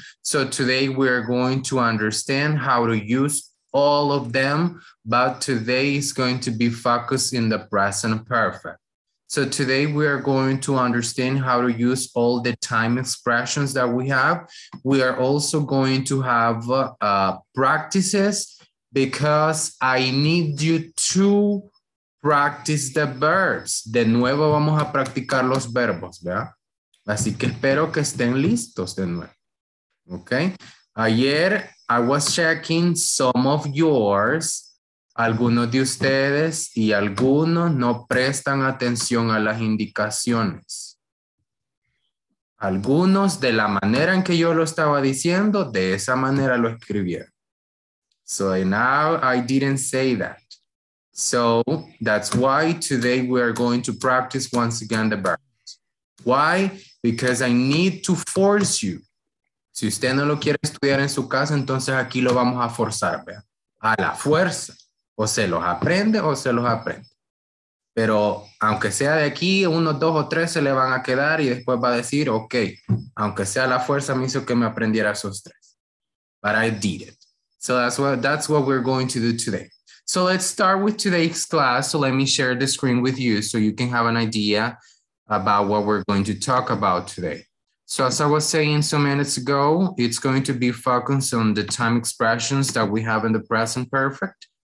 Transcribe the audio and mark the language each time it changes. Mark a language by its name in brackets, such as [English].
[English] So today we are going to understand how to use all of them, but today is going to be focused in the present perfect. So today we are going to understand how to use all the time expressions that we have. We are also going to have practices because I need you to practice the verbs. [Spanish] De nuevo vamos a practicar los verbos, ¿verdad? Así que espero que estén listos de nuevo. Okay. Ayer, [English] I was checking some of yours. [Spanish] Algunos de ustedes y algunos no prestan atención a las indicaciones. Algunos, de la manera en que yo lo estaba diciendo, de esa manera lo escribieron. [English] So now I didn't say that. So that's why today we are going to practice once again the verbs. Why? Because I need to force you. [Spanish] Si usted no lo quiere estudiar en su casa, entonces aquí lo vamos a forzar, ¿verdad? A la fuerza. O se los aprende o se los aprende. Pero aunque sea de aquí, unos dos o tres se le van a quedar y después va a decir, ok, aunque sea la fuerza me hizo que me aprendiera esos tres. [English] But I did it. So that's what we're going to do today. So let's start with today's class. So let me share the screen with you so you can have an idea about what we're going to talk about today. So as I was saying some minutes ago, it's going to be focused on the time expressions that we have in the present perfect.